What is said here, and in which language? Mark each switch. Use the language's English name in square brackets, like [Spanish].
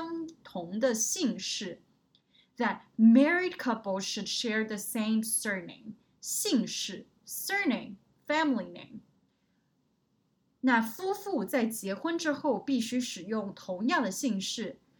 [Chinese] 夫妇结婚之后必须共同使用相同的姓氏. [English] That married couples should share the same surname. 姓氏, surname, family name. [Chinese] 那夫妇在结婚之后必须使用同样的姓氏.